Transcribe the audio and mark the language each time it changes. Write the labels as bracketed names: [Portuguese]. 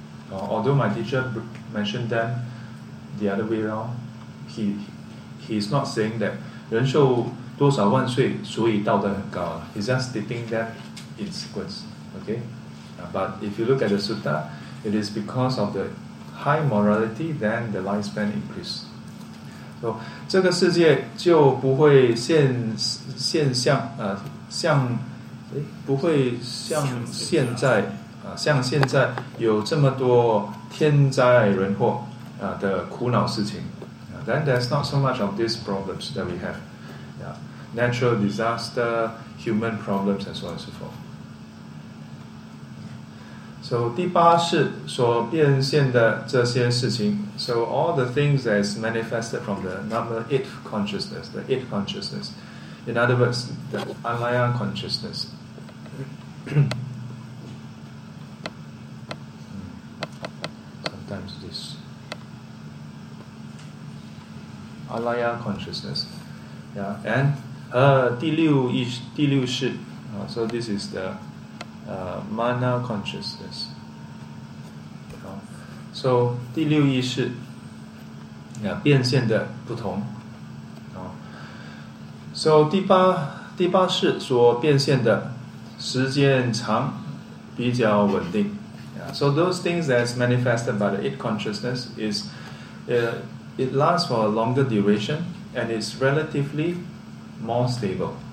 [English] Although my teacher mentioned them the other way around, he is not saying that [Chinese] 人寿多少万岁所以道德很高, [English] he's just stating that in sequence. Okay, but if you look at the sutta, it is because of the high morality, then the lifespan increase. [Chinese] So, 这个世界就不会像现在有这么多天灾人祸的苦恼事情. [English] Then there's not so much of these problems that we have. Yeah. Natural disaster, human problems, and so on and so forth. [Chinese] So 第八是所变现的这些事情。 [English] So all the things that is manifested from the number eight consciousness, the eight consciousness. In other words, the Anlayan consciousness. Sometimes this. Anlayan consciousness. Yeah. And [Chinese] 第六是 [English] so this is the mana consciousness. [Chinese] So 第六意识变现的不同。 So 第八是所变现的时间长比较稳定。 [English] So those things that's manifested by the eight consciousness is it lasts for a longer duration and it's relatively more stable.